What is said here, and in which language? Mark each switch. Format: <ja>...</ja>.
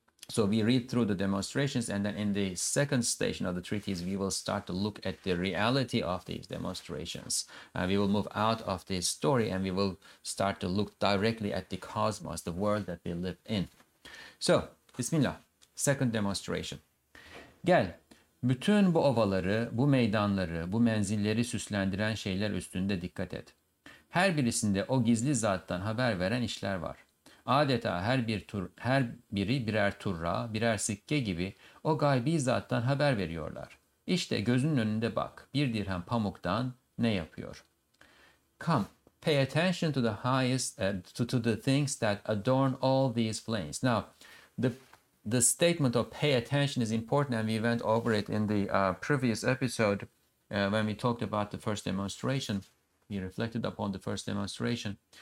<en>So we read through the demonstrations, and then in the second station of the treatise, we will start to look at the reality of these demonstrations. We will move out of the story and we will start to look directly at the cosmos, the world that we live in. So, Bismillah, second demonstration.</en> <tr>Gel, bütün bu ovaları, bu meydanları, bu menzilleri süslendiren şeyler üstünde dikkat et. Her birisinde o gizli zattan haber veren işler var. Adeta her biri birer turra, birer sikke gibi o gaybi zattan haber veriyorlar. İşte gözünün önünde bak, bir dirhem pamuktan ne yapıyor?</tr> <en>Come, pay attention to the highest to the things that adorn all these plains. Now, the statement of pay attention is important, and we went over it in the previous episode when we talked about the first demonstration. We reflected upon the first demonstration.</en>